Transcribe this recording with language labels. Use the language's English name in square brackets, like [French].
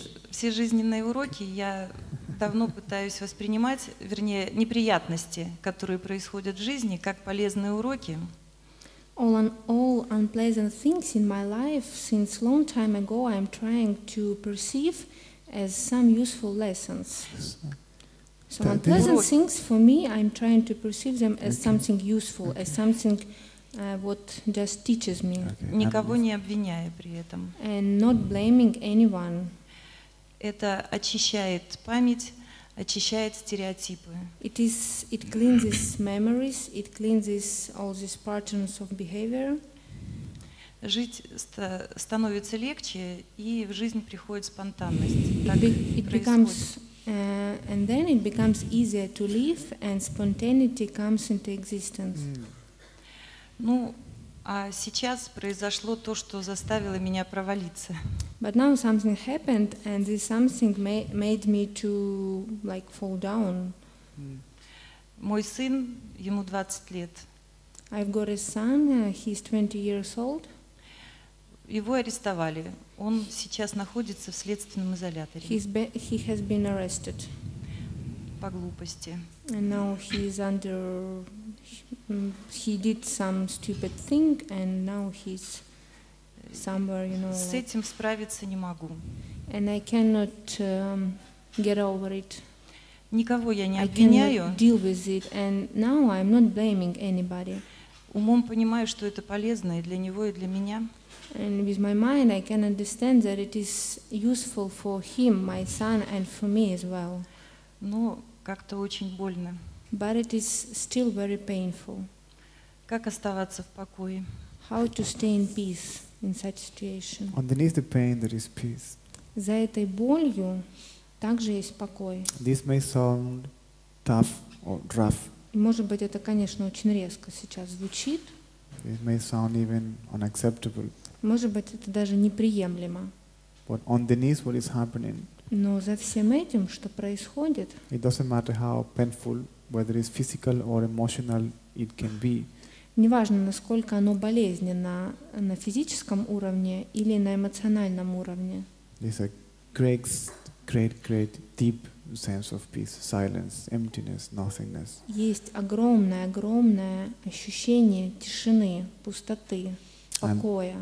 [Russian] Все жизненные уроки я давно пытаюсь воспринимать, вернее, неприятности, которые происходят в жизни, как полезные уроки. [English] All and all unpleasant things in my life since long time ago I'm trying to perceive as some useful lessons. So unpleasant things for me, I'm trying to perceive them as something useful, as something what just teaches me. [Russian] Никого не обвиняя при этом. [English] And not blaming anyone. [Russian] Это очищает память, очищает стереотипы. [English] It cleanses memories, it cleanses all these patterns of behavior. [Russian] Жить становится легче, и в жизнь приходит спонтанность. [English] It becomes and then it becomes easier to live, and spontaneity comes into existence. [Russian] Ну, а сейчас произошло то, что заставило меня провалиться. [English] But now something happened, and this something made me to like fall down. [Russian] Мой сын, ему 20 лет. [English] I've got a son. He's 20 years old. [Russian] Его арестовали. Он сейчас находится в следственном изоляторе. [English] He has been arrested. [Russian] По глупости. [English] And now he's under. He did some stupid thing, and now he's somewhere, you know. [Russian] С этим справиться не могу. [English] And I cannot get over it. [Russian] Никого я не обвиняю. [English] I cannot deal with it, and now I'm not blaming anybody. [Russian] Умом понимаю, что это полезно и для него, и для меня. [English] And with my mind, I can understand that it is useful for him, my son, and for me as well. [Russian] Но как-то очень больно. [English] But it is still very painful. [Russian] Как оставаться в покое? [English] How to stay in peace in such situation? Underneath the pain, there is peace. [Russian] За этой болью также есть покой. [English] This may sound tough or rough. [Russian] Может быть, это, конечно, очень резко сейчас звучит. [English] It may sound even unacceptable. [Russian] Может быть, это даже неприемлемо. [English] But underneath what is happening, [Russian] но за всем этим, что происходит, [English] it doesn't matter how painful, whether it's physical or emotional, it can be. [Russian] Неважно, насколько оно болезненно на физическом уровне или на эмоциональном уровне. [English] There's a great deep sense of peace, silence, emptiness, nothingness. [Russian] Есть огромное ощущение тишины, пустоты, покоя.